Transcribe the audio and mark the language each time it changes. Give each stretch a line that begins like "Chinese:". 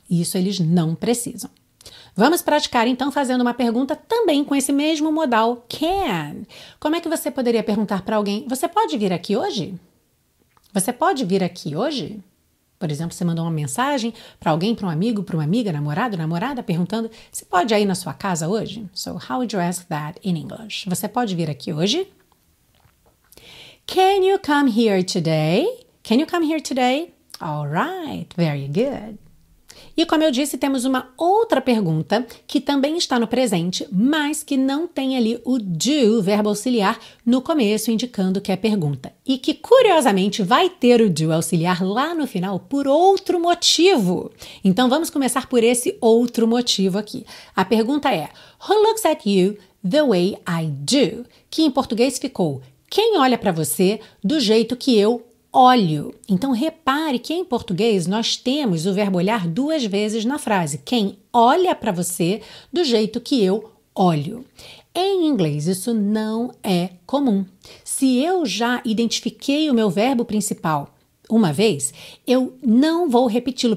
Portuguese: Isso eles não precisam. Vamos praticar, então, fazendo uma pergunta também com esse mesmo modal can. Como é que você poderia perguntar para alguém, você pode vir aqui hoje? Você pode vir aqui hoje? Por exemplo, você mandou uma mensagem para alguém, para um amigo, para uma amiga, namorado, namorada, perguntando, você pode ir na sua casa hoje?
English: So, how would you ask that in English?
Portuguese: Você pode vir aqui hoje?
English: Can you come here today? Can you come here today? All right, very good.
Portuguese: E como eu disse, temos uma outra pergunta que também está no presente, mas que não tem ali o do, verbo auxiliar, no começo, indicando que é pergunta. E que, curiosamente, vai ter o do auxiliar lá no final por outro motivo. Então, vamos começar por esse outro motivo aqui. A pergunta é,
English: who looks at you the way I do?
Portuguese: Que em português ficou, quem olha para você do jeito que eu olho. Então, repare que em português nós temos o verbo olhar duas vezes na frase. Quem olha para você do jeito que eu olho. Em inglês, isso não é comum. Se eu já identifiquei o meu verbo principal uma vez, eu não vou repeti-lo.